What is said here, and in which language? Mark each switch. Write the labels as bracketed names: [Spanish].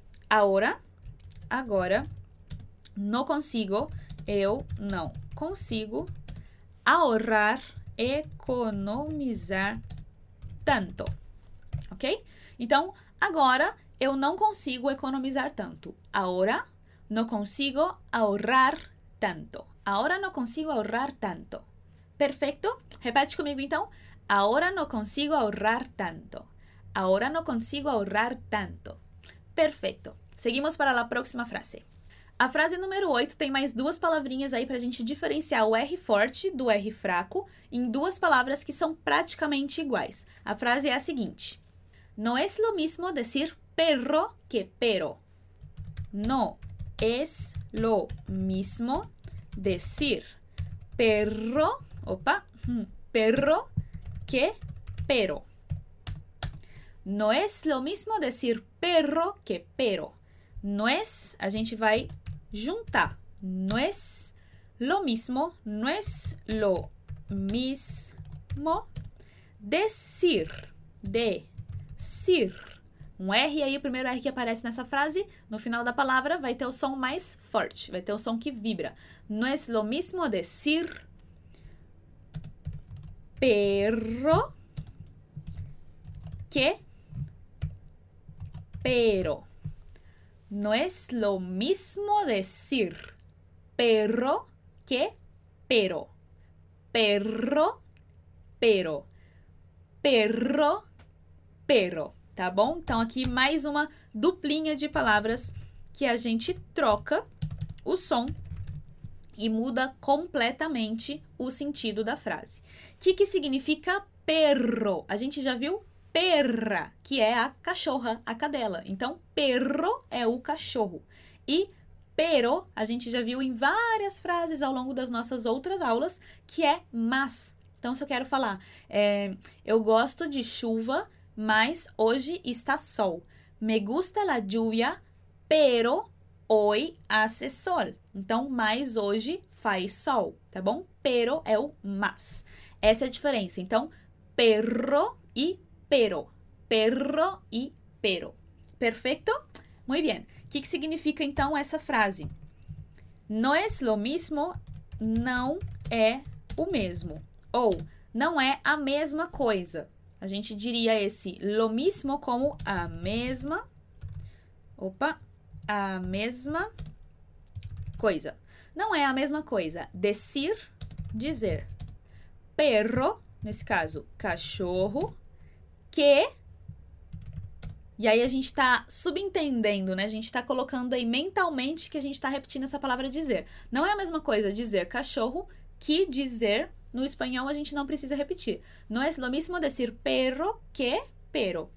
[Spanish] Ahora, [Portuguese] agora. [Spanish] No consigo, [Portuguese] eu não consigo [Spanish] ahorrar, [Portuguese] economizar tanto. Ok? Então, agora eu não consigo economizar tanto. [Spanish] Ahora no consigo ahorrar tanto. Ahora no consigo ahorrar tanto. [Portuguese] Perfeito? Repete comigo então. [Spanish] Ahora no consigo ahorrar tanto. Ahora no consigo ahorrar tanto. [Portuguese] Perfeito. Seguimos para a próxima frase. A frase número 8 tem mais duas palavrinhas aí para a gente diferenciar o R forte do R fraco em duas palavras que são praticamente iguais. A frase é a seguinte: [Spanish] No es lo mismo decir perro que pero. No es lo mismo decir perro, opa, perro que pero. No es lo mismo decir perro que pero. No es, a gente vai juntar. No es lo mismo, no es lo mismo decir, decir. [Portuguese] Um R aí, o primeiro R que aparece nessa frase, no final da palavra vai ter o som mais forte, vai ter o som que vibra. [Spanish] No es lo mismo decir perro que pero. No es lo mismo decir perro que pero. Perro, pero. Perro, pero. [Portuguese] Tá bom? Então, aqui mais uma duplinha de palavras que a gente troca o som e muda completamente o sentido da frase. O que que significa perro? A gente já viu perra, que é a cachorra, a cadela. Então, perro é o cachorro. E pero, a gente já viu em várias frases ao longo das nossas outras aulas, que é mas. Então, se eu quero falar, eu gosto de chuva, mas hoje está sol. [Spanish] Me gusta la lluvia, pero hoy hace sol. [Portuguese] Então, mas hoje faz sol, tá bom? Pero é o mas. Essa é a diferença. Então, perro e pero. [Spanish] Perro e pero. [Portuguese] Perfeito? [Spanish] Muy bien. [Portuguese] Que significa, então, essa frase? [Spanish] No es lo mismo, [Portuguese] não é o mesmo. Ou, não é a mesma coisa. A gente diria esse lo mismo como a mesma, opa, a mesma coisa. Não é a mesma coisa. Decir, dizer. Perro, nesse caso, cachorro, que, e aí a gente está subentendendo, né? A gente está colocando aí mentalmente que a gente está repetindo essa palavra dizer. Não é a mesma coisa dizer cachorro que dizer. No espanhol, a gente não precisa repetir. [Spanish] No es lo mismo decir perro que pero.